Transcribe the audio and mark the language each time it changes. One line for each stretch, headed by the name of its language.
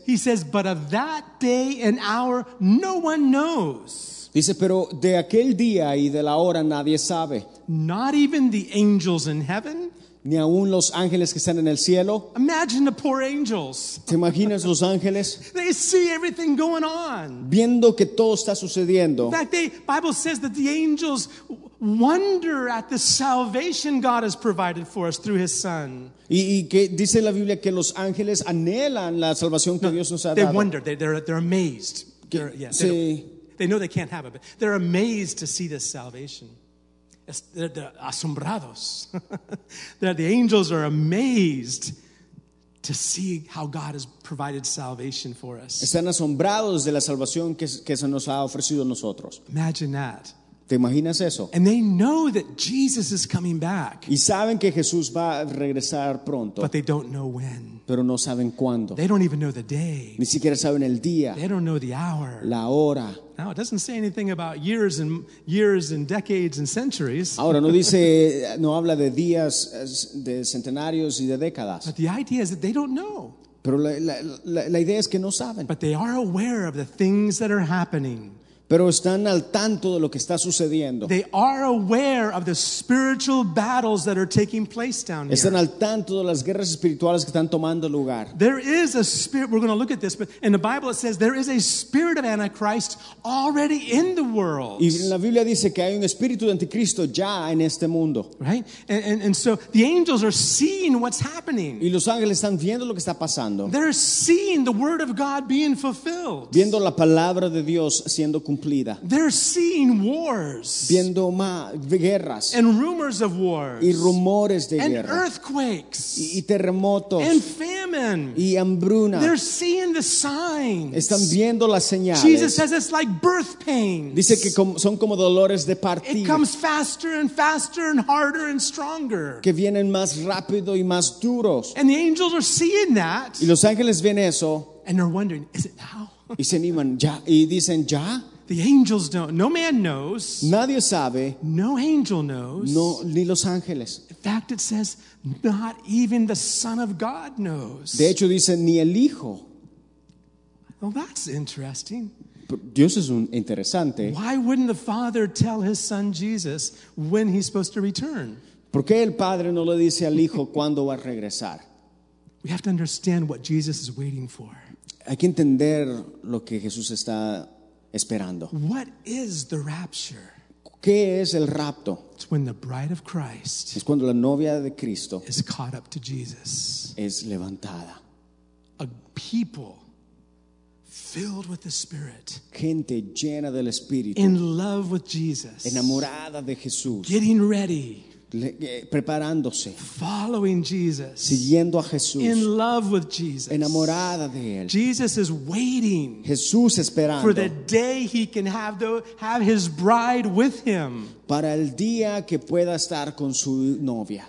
English: He says, "But of that day and hour, no one knows."
Spanish: Dice, pero de aquel día y de la hora nadie sabe.
English: Not even the angels in heaven.
Spanish: Ni aun los ángeles que están en el cielo.
English: Imagine the poor angels.
Spanish: ¿Te imaginas los ángeles?
English: They see everything going on.
Spanish: Viendo que todo está sucediendo.
English: In fact, the Bible says that the angels wonder at the salvation God has provided for us through His Son.
Spanish: Y que dice la Biblia que los ángeles anhelan la salvación que Dios nos ha dado.
English: They wonder. They're amazed. They know they can't have it, but they're amazed to see this salvation. They're asombrados. The angels are amazed to see how God has provided salvation for us.
Spanish: Están asombrados de la salvación que se nos ha ofrecido a nosotros.
English: Imagine that.
Spanish: ¿Te imaginas eso?
English: And they know that Jesus is coming back.
Spanish: Y saben que Jesús va a regresar pronto.
English: But they don't know when.
Spanish: Pero no saben cuándo.
English: They don't even know the day.
Spanish: Ni siquiera saben el día.
English: They don't know the hour.
Spanish: La hora.
English: Now it doesn't say anything about years and decades and centuries.
Spanish: Ahora no dice, no habla de días, de centenarios y de décadas.
English: But the idea is that they don't know.
Spanish: Pero la idea es que no saben.
English: But they are aware of the things that are happening.
Spanish: Pero están al tanto de lo que está sucediendo.
English: They are aware of the spiritual battles that are taking place down here.
Spanish: Están al tanto de las guerras espirituales que están tomando lugar.
English: There is a spirit, we're going to look at this, but in the Bible it says there is a spirit of Antichrist already in the world.
Spanish: Y la Biblia dice que hay un espíritu de anticristo ya en este mundo.
English: Right? And so the angels are seeing what's happening.
Spanish: Y los ángeles están viendo lo que está pasando.
English: They're seeing the word of God being fulfilled.
Spanish: Viendo la palabra de Dios siendo
English: cumplida. They're seeing wars,
Spanish: viendo guerras,
English: and rumors of wars,
Spanish: y rumores de guerras,
English: and earthquakes,
Spanish: y terremotos,
English: and famine,
Spanish: y hambruna.
English: They're seeing the signs.
Spanish: Están viendo las señales.
English: Jesus says it's like birth pains.
Spanish: Dice que son como dolores de partir.
English: It comes faster and harder and stronger.
Spanish: Que vienen más rápido y más duros.
English: And the angels are seeing that.
Spanish: Y los ángeles ven eso.
English: And they're wondering, is it now?
Spanish: Y se animan, ya. Y dicen, ya.
English: The angels don't. No man knows.
Spanish: Nadie sabe.
English: No angel knows.
Spanish: No, ni los ángeles.
English: In fact, it says, not even the Son of God knows.
Spanish: De hecho, dicen, ni el Hijo.
English: Well, that's interesting.
Spanish: Dios es un interesante.
English: Why wouldn't the Father tell His Son Jesus when He's supposed to return?
Spanish: ¿Por qué el Padre no le dice al Hijo cuándo va a regresar?
English: We have to understand what Jesus is waiting for.
Spanish: Hay que entender lo que Jesús está esperando.
English: What is the rapture?
Spanish: ¿Qué es el rapto?
English: It's when the bride of Christ
Spanish: es cuando la novia de Cristo
English: is caught up to Jesus.
Spanish: Es levantada.
English: A people filled with the Spirit.
Spanish: Gente llena del Espíritu.
English: In love with Jesus.
Spanish: Enamorada de Jesús.
English: Getting ready.
Spanish: Preparándose,
English: following Jesus,
Spanish: siguiendo a Jesús,
English: in love with Jesus,
Spanish: enamorada de él.
English: Jesus is waiting,
Spanish: Jesús esperando,
English: for the day he can have his bride with him,
Spanish: para el día que pueda estar con su novia.